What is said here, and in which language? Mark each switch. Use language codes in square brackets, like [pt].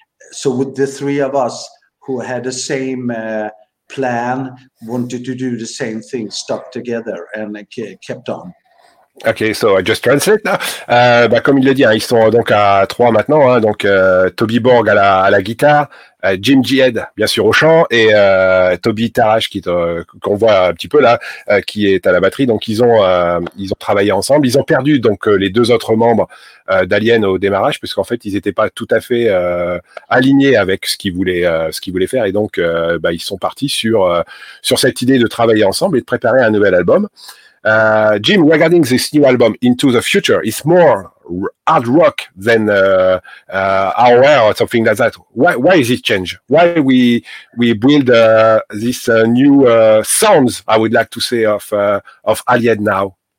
[en] So with the three of us who had the same plan, wanted to do the same thing, stuck together and kept on. Ok, so I just translate now. [fr] Comme il l'a dit, hein, ils sont donc à trois maintenant. Hein, donc Toby Borg à la guitare, Jim Jihad, bien sûr, au chant, et Toby Tarash, qu'on voit un petit peu là, qui est à la batterie. Donc, ils ont travaillé ensemble. Ils ont perdu donc les deux autres membres d'Alien au démarrage, puisqu'en fait, ils n'étaient pas tout à fait alignés avec ce qu'ils voulaient faire. Et donc, ils sont partis sur cette idée de travailler ensemble et de préparer un nouvel album. [en] Jim, regarding this new album, Into the Future, it's more hard rock than our or something like that. Why is it change? Why we build this new sounds, I would like to say, of Alien now?